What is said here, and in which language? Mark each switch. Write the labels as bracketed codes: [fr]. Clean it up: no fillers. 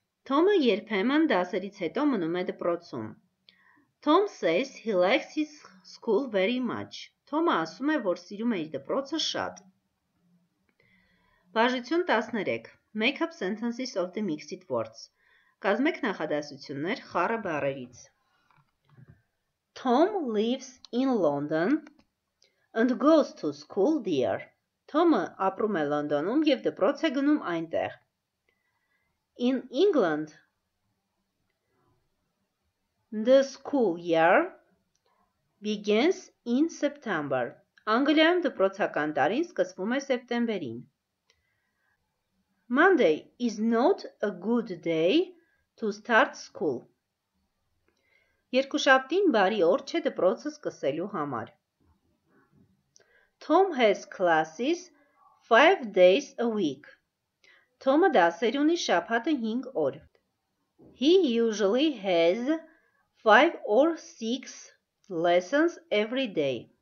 [hy] Tom-ը երբեմն դասերից հետո մնում է դպրոցում. [en] Tom says he likes his school very much. [hy] Tom-ը ասում է, որ սիրում է իր դպրոցը շատ. Բաժություն 13. [en] Make up sentences of the mixed words. [hy] Կազմեք նախադասություններ խառը բառերից. [en] Tom lives in London and goes to school there. [hy] Tom-ը ապրում է Լոնդոնում եւ դպրոց է գնում այնտեղ. [en] In England, the school year begins in September. [hy] Անգլիայում դպրոցական տարին սկսվում է սեպտեմբերին. [en] Monday is not a good day to start school. [hy] Երկուշաբթին բարի օր չէ դպրոցը սկսելու համար. [en] Tom has classes 5 days a week. [hy] Tom-ը դասեր ունի շաբաթը 5 օր. [en] He usually has 5 or 6 lessons every day.